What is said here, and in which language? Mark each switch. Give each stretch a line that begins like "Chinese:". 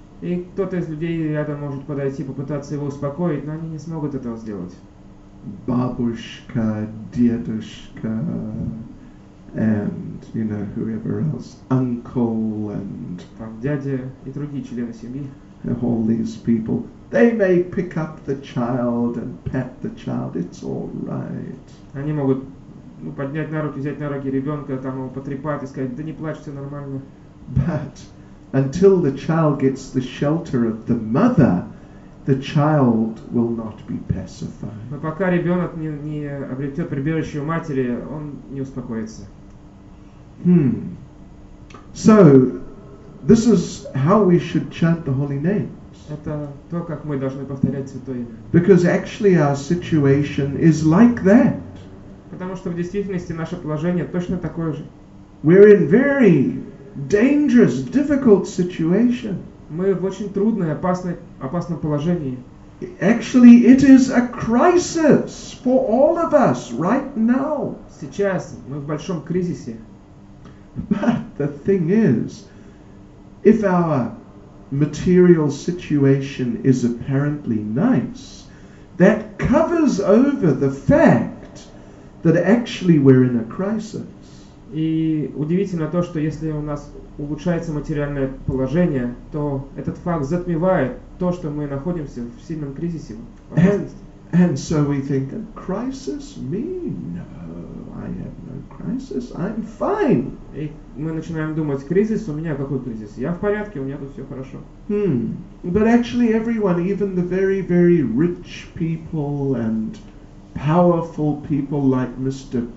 Russian: И кто-то из людей рядом может подойти, попытаться его успокоить, но они не смогут этого сделать. Бабушка, дедушка,
English: and, you know, whoever else, uncle, and...
Russian: Там дядя и другие члены семьи.
English: All these people, they may pick up the child and pat the child, it's all right.
Russian: Они могут поднять на руки, взять на руки ребенка, там его потрепать и сказать, да не плачь, все нормально.
English: But... until the child gets the shelter of the mother, the child will not be pacified.
Russian: Но пока ребенок не обретет прибежище у матери, он не успокоится.
English: So, this is how we should chant the holy names.
Russian: Это то, как мы должны повторять святое имя.
English: Because actually our situation is like that.
Russian: Потому что в действительности наше положение точно такое же.
English: We're in very dangerous, difficult situation.
Russian: Мы в очень трудной, опасном положении.
English: Actually, it is a crisis for all of us right now.
Russian: Сейчас мы в большом кризисе.
English: But the thing is, if our material situation is apparently nice, that covers over the fact that actually we're in a crisis.
Russian: И удивительно то, что если у нас улучшается материальное положение, то этот факт затмевает то, что мы находимся в сильном кризисе.
English: And so we think, crisis me? No, I have no crisis. I'm fine.
Russian: И мы начинаем думать, кризис? У меня какой кризис? Я в порядке, у меня тут все хорошо.
English: But actually everyone, even the very, very rich people and powerful people like Mr.